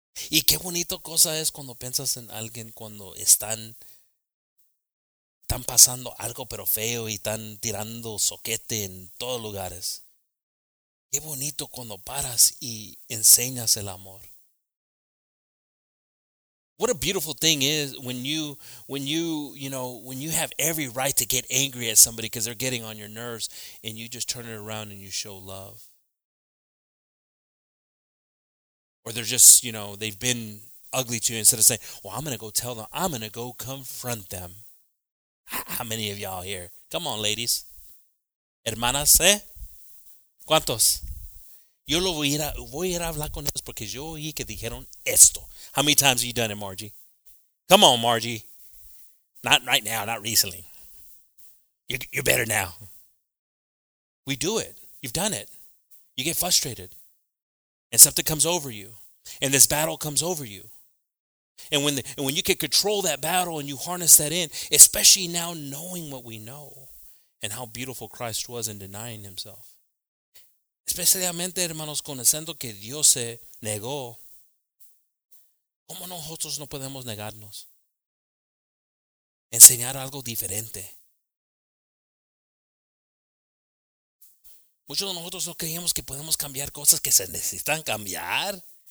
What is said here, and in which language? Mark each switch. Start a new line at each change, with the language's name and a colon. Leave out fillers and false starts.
Spanish: Y qué bonito cosa es cuando piensas en alguien cuando están pasando algo pero feo y están tirando soquete en todos lugares. Qué bonito cuando paras y enseñas el amor.
English: What a beautiful thing is when you have every right to get angry at somebody because they're getting on your nerves and you just turn it around and you show love. Or they're just, you know, they've been ugly to you. Instead of saying, well, I'm going to go tell them. I'm going to go confront them. How many of y'all here? Come on, ladies.
Spanish: Hermanas, eh? ¿Cuántos? Yo lo voy a ir a hablar con ellos porque yo oí que dijeron esto.
English: How many times have you done it, Margie? Come on, Margie. Not right now, not recently. You're better now. We do it. You've done it. You get frustrated. And something comes over you. And this battle comes over you. And when you can control that battle and you harness that in, especially now knowing what we know and how beautiful Christ was in denying himself.
Spanish: Especialmente, hermanos, conociendo que Dios se negó, ¿cómo nosotros no podemos negarnos? Enseñar algo diferente. Muchos de nosotros no creíamos que podemos cambiar cosas que se necesitan cambiar.